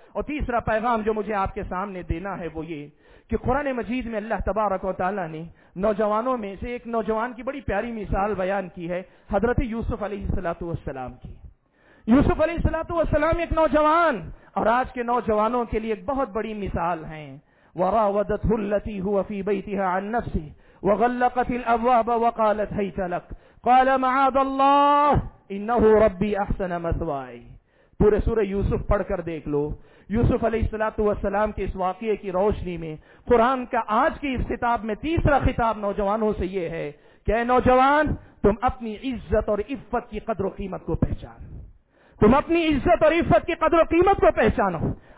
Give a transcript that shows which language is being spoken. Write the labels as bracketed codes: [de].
[ur] اور تیسرا پیغام جو مجھے آپ کے سامنے دینا ہے وہ یہ کہ قرآن مجید میں اللہ تبارک و تعالیٰ نے نوجوانوں میں سے ایک نوجوان کی بڑی پیاری مثال بیان کی ہے, حضرت یوسف علیہ الصلوۃ والسلام کی. یوسف علیہ الصلوۃ والسلام ایک نوجوان اور آج کے نوجوانوں کے لیے ایک بہت بڑی مثال ہیں. [ar] وراودته التي هو في بيتها عن نفسه وغلقت الابواب وقالت هيت لك قال معاذ الله انه ربي احسن مثواي. [ur] پورے سورہ یوسف پڑھ کر دیکھ لو. یوسف علیہ الصلوۃ والسلام کے اس واقعے کی روشنی میں قرآن کا آج کی اس خطاب میں تیسرا خطاب نوجوانوں سے یہ ہے کہ اے نوجوان تم اپنی عزت اور عفت کی قدر و قیمت کو پہچان, تم اپنی عزت اور عفت کی قدر و قیمت کو پہچانو.